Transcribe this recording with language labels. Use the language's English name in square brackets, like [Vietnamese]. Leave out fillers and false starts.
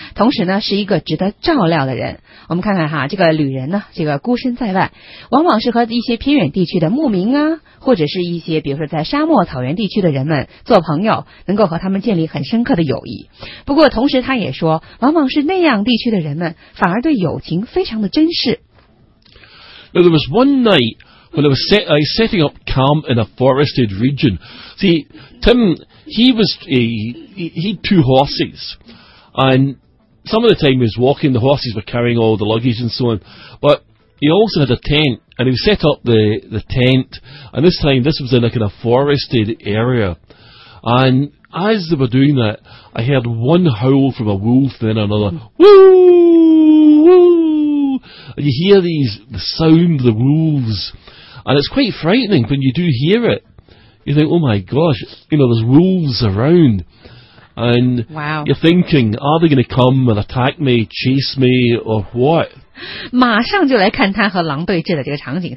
[Chinese] 同时呢是一个值得照料的人。我们看看哈,这个旅人呢,这个孤身在外,往往是和一些偏远地区的牧民啊,或者是一些比如说在沙漠草原地区的人们做朋友,能够和他们建立很深刻的友谊。不过同时他也说,往往是那样地区的人们反而对友情非常的珍视。 [English] Now there was one night when I was setting up camp in a forested region. See, Tim, he had two horses. And some of the time he was walking, the horses were carrying all the luggage and so on. But he also had a tent and he set up the tent. And this time this was in a kind of forested area. And as they were doing that, I heard one howl from a wolf, then another, woo, woo. And you hear the sound of the wolves. And it's quite frightening when you do hear it. You think, oh my gosh, you know, there's wolves around. And Wow. You're thinking, are they going to come and attack me, chase me, or what? [Chinese] 马上就来看他和狼对峙的这个场景。